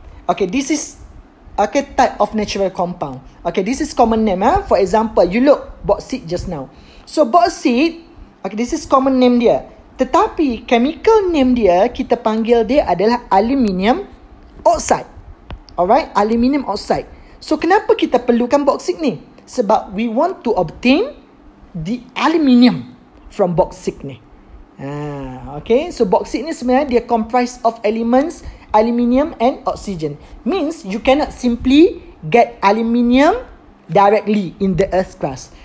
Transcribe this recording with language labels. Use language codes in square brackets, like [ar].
[en] Okay, this is okay type of natural compound. Okay, this is common name. Ah, for example, you look bauxite just now. So bauxite, okay, this is common name dia. [ms] Tetapi [en] chemical name [ms] dia kita panggil dia adalah aluminium oxide. [en] Alright, aluminium oxide. [ms] So kenapa kita perlukan bauxite ni? [en] Sebab we want to obtain the aluminium from bauxite ni. Okay, so bauxite [ms] ni sebenarnya dia [en] comprised of elements aluminium and oxygen. Means you cannot simply get aluminium directly in the earth crust.